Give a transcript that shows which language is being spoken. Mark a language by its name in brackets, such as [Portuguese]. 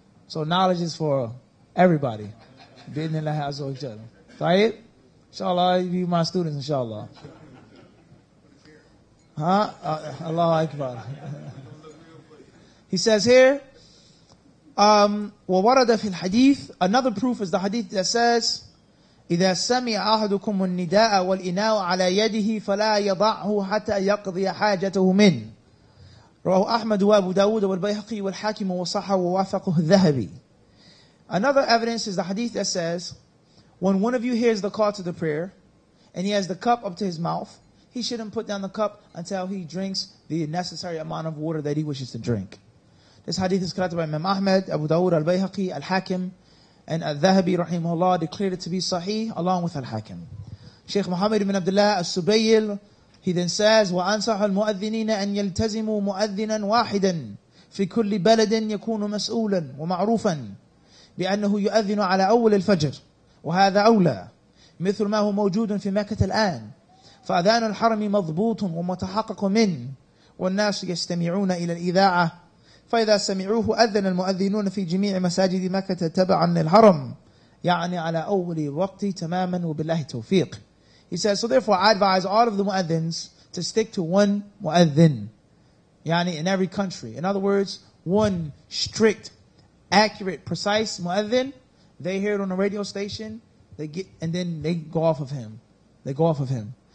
[English] So knowledge is for everybody. Bidnillah azza wa jalla. Tayyib? Inshallah, you be my students, inshallah. Huh? Allahu Akbar. He says here, [Arabic] وَوَرَدَ فِي الْحَدِيثِ. [English] Another proof is the hadith that says, [Arabic] إِذَا سَمِعَ أَحَدُكُمُ النِّدَاءَ وَالْإِنَاءُ عَلَى يَدِهِ فَلَا يَضَعْهُ حَتَّى يَقْضِيَ حَاجَتَهُ مِنْ. رواه أحمد وابو داود والبيهقي والحاكم وصحى ووافقه الذهبي. [English] Another evidence is the hadith that says, when one of you hears the call to the prayer, and he has the cup up to his mouth, he shouldn't put down the cup until he drinks the necessary amount of water that he wishes to drink. This hadith is collected by Imam Ahmed, Abu Dawud, Al-Bayhaqi, Al-Hakim, and Al-Dhahabi, rahimahullah, declared it to be sahih, along with Al-Hakim. [Arabic] Shaykh Muhammad ibn Abdullah Al-Subayl, [English] he then says, [Arabic] وَأَنْصَحُ الْمُؤَذِّنِينَ أَنْ يَلْتَزِمُوا مُؤَذِّنًا وَاحِدًا فِي كُلِّ بَلَدٍ يَكُونُ مَسْؤُولًا وَمَعْرُوفًا بِأَنَّهُ يُؤَذِّنُ عَلَى أَوَّلِ الْفَجْرِ وَهَذَا أَوْلَى مِثْلُ مَا هُوَ مَوْجُودٌ فِي مَكَّةَ الْآنِ فَأَذَانُ الْحَرَمِ مَضْبُوطٌ وَمُتَحَقَّقٌ مِنْ وَالنَّاسُ يَسْتَمِعُونَ إِلَى الْإِذَاعَةِ فَإِذَا سَمِعُوهُ أَذَّنَ الْمُؤَذِّنُونَ فِي جَمِيعِ مَسَاجِدِ مَكَّةَ تَبَعًا لِلْحَرَمِ يَعْنِي عَلَى أَوَّلِ الْوَقْتِ تَمَامًا وَبِاللَّهِ التَّوْفِيقِ. [English] He says, so therefore I advise all of the muaddins to stick to one muaddin, yani in every country. In other words, one strict, accurate, precise muaddin. They hear it on the radio station, they get, and then they go off of him. They go off of him.